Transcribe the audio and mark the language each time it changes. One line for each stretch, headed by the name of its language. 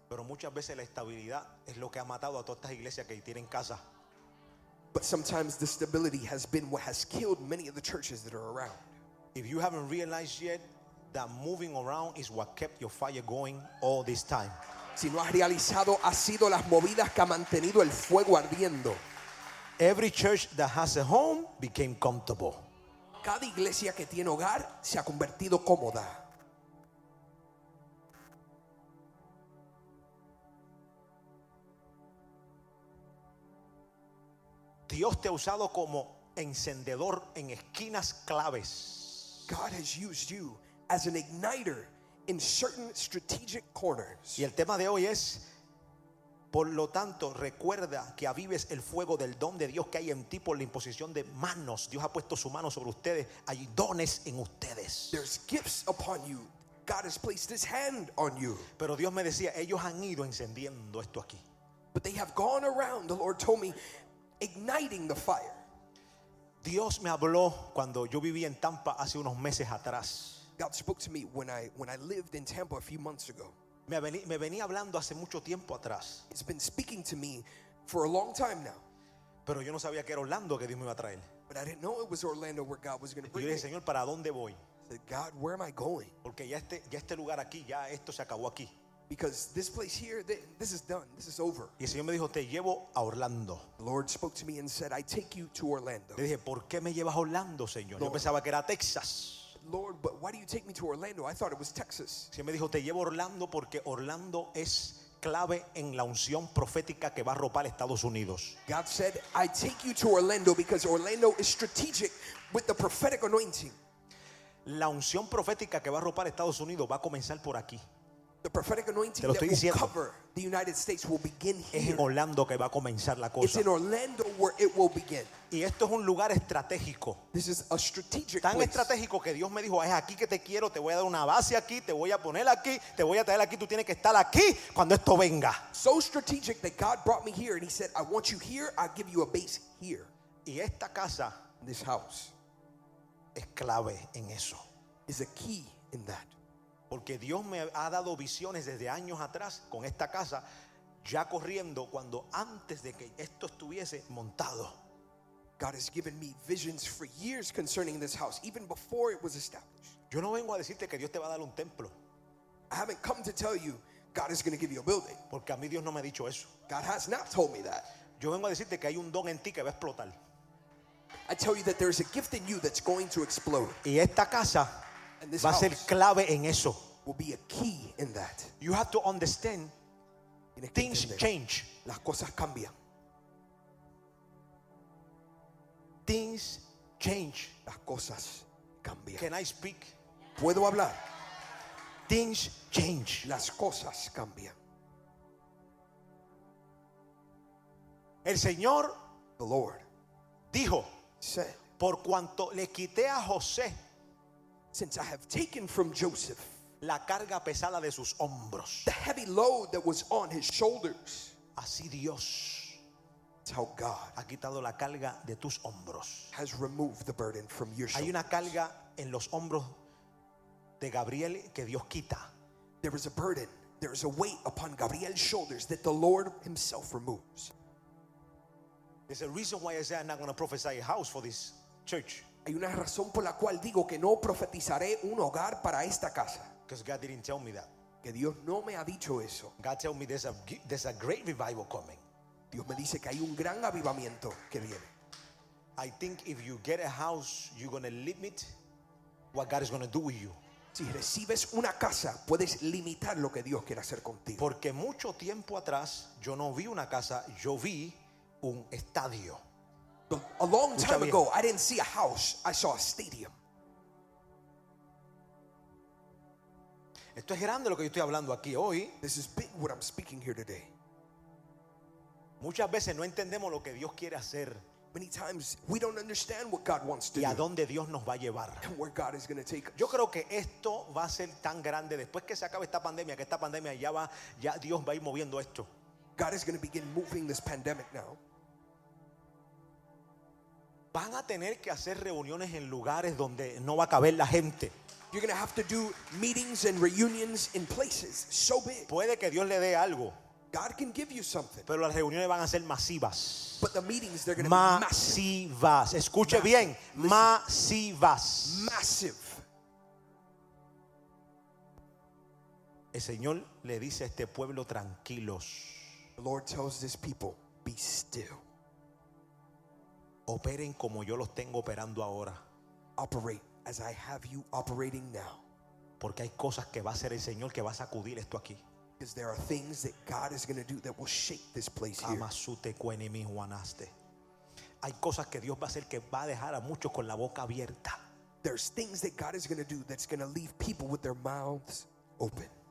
Spanish: Pero muchas veces la estabilidad es lo que ha matado a todas estas iglesias que tienen casa.
English: But sometimes the stability has been what has killed many of the churches that are around. If you haven't realized yet that moving around is what kept your fire going all this time.
Spanish: Si no has realizado, ha sido las movidas que ha mantenido el fuego ardiendo.
English: Every church that has a home became comfortable.
Spanish: Cada iglesia que tiene hogar se ha convertido cómoda. Dios te ha usado como encendedor en esquinas claves.
English: God has used you as an igniter in certain strategic corners.
Spanish: Y el tema de hoy es, por lo tanto, recuerda que avives el fuego del don de Dios que hay en ti por la imposición de manos. Dios ha puesto su mano sobre ustedes. Hay dones en ustedes.
English: There's gifts upon you. God has placed his hand on you.
Spanish: Pero Dios me decía, ellos han ido encendiendo esto aquí.
English: But they have gone around, the Lord told me, igniting the fire.
Spanish: Dios me habló cuando yo vivía en Tampa hace unos meses atrás.
English: God spoke to me when I lived in Tampa a few months ago.
Spanish: Me venía hablando hace mucho tiempo atrás.
English: He's been speaking to me for a long time now.
Spanish: Pero yo no sabía que era Orlando que Dios me iba a traer.
English: But I didn't know it was Orlando where God was going to bring me.
Spanish: Y yo dije, Señor, ¿para dónde voy?
English: I said, God, where am I going?
Spanish: Porque ya este lugar aquí, ya esto se acabó aquí.
English: Because this place here, this is done. This is over.
Spanish: Y el Señor me dijo, te llevo a Orlando.
English: The Lord spoke to me and said, I take you to Orlando.
Spanish: Le dije, ¿por qué me llevas a Orlando, Señor? Lord, yo pensaba que era Texas.
English: Lord, but why do you take me to Orlando? I thought it was Texas.
Spanish: El Señor me dijo, te llevo a Orlando porque Orlando es clave en la unción profética que va a ropar Estados Unidos.
English: God said, I take you to Orlando because Orlando is strategic with the prophetic anointing.
Spanish: La unción profética que va a ropar Estados Unidos va a comenzar por aquí.
English: The prophetic anointing that will cover the United States will begin here.
Spanish: Es en Orlando que va a comenzar la cosa.
English: It's in Orlando where it will begin.
Spanish: Y esto es un lugar estratégico.
English: This is a strategic
Spanish: tan
English: place.
Spanish: Estratégico que Dios me dijo, es aquí que te quiero, te voy a dar una base aquí, te voy a poner aquí, te voy a traer aquí, tú tienes que estar aquí cuando esto venga.
English: So strategic that God brought me here and he said, I want you here, I'll give you a base here.
Spanish: Y esta casa,
English: this house,
Spanish: es clave en eso.
English: Is a key in that.
Spanish: Porque Dios me ha dado visiones desde años atrás con esta casa ya corriendo cuando antes de que esto estuviese montado.
English: God has given me visions for years concerning this house, even before it was established.
Spanish: Yo no vengo a decirte que Dios te va a dar un templo.
English: I haven't come to tell you God is going to give you a building.
Spanish: Porque a mí Dios no me ha dicho eso.
English: God has not told me that.
Spanish: Yo vengo a decirte que hay un don en ti que va a explotar.
English: I tell you that there is a gift in you that's going to explode.
Spanish: Y esta casa va a ser clave en eso.
English: Will be a key in that. You have to understand things change.
Spanish: Las cosas cambian.
English: Things change.
Spanish: Las cosas cambian.
English: Can I speak?
Spanish: Puedo hablar.
English: Things change.
Spanish: Las cosas cambian. El Señor,
English: the Lord,
Spanish: dijo,
English: said,
Spanish: por cuanto le quité a José,
English: since I have taken from Joseph
Spanish: la carga pesada de sus hombros,
English: the heavy load that was on his shoulders,
Spanish: así Dios,
English: that's how God,
Spanish: ha quitado la carga de tus hombros,
English: has removed the burden from your shoulders.
Spanish: Hay una carga en los hombros de Gabriel que Dios quita.
English: There is a burden, there is a weight upon Gabriel's shoulders that the Lord himself removes. There's a reason why I say I'm not going to prophesy a house for this church.
Spanish: Hay una razón por la cual digo que no profetizaré un hogar para esta casa.
English: Because God didn't tell me that.
Spanish: Que Dios no me ha dicho eso.
English: God told me there's a great revival coming.
Spanish: Dios me dice que hay un gran avivamiento que viene.
English: I think if you get a house, you're going to limit what God is going to do with you.
Spanish: Si recibes una casa, puedes limitar lo que Dios quiere hacer contigo. Porque mucho tiempo atrás, yo no vi una casa, yo vi un estadio.
English: A long time ago, I didn't see a house, I saw a stadium.
Spanish: Esto es grande lo que yo estoy hablando aquí hoy.
English: This is big what I'm speaking here today.
Spanish: Muchas veces no entendemos lo que Dios quiere hacer.
English: Many times we don't understand what God wants to do.
Spanish: Y a dónde Dios nos va a llevar.
English: And where God is going to take us.
Spanish: Yo creo que esto va a ser tan grande después que se acabe esta pandemia, que esta pandemia ya va, ya Dios va a ir moviendo esto.
English: God is going to begin moving this pandemic now.
Spanish: Van a tener que hacer reuniones en lugares donde no va a caber la gente.
English: You're going to have to do meetings and reunions in places so big.
Spanish: Puede que Dios le dé algo.
English: God can give you something.
Spanish: Pero las reuniones van a ser masivas.
English: But the meetings, they're going to be massive.
Spanish: Masivas. Escuche
English: massive.
Spanish: Bien.
English: Listen.
Spanish: Masivas.
English: Massive.
Spanish: El Señor le dice a este pueblo, tranquilos.
English: The Lord tells this people, be still.
Spanish: Operen como yo los tengo operando ahora.
English: Operate as I have you operating now.
Spanish: Porque hay cosas que va a hacer el Señor que va a sacudir esto aquí.
English: Because there are things that God is going to do that will shake this place here. Amasute kwenemi juanaste.
Spanish: Hay cosas que Dios va a hacer que va a dejar a muchos con la boca abierta.
English: There's things that God is going to do that's going to leave people with their mouths open.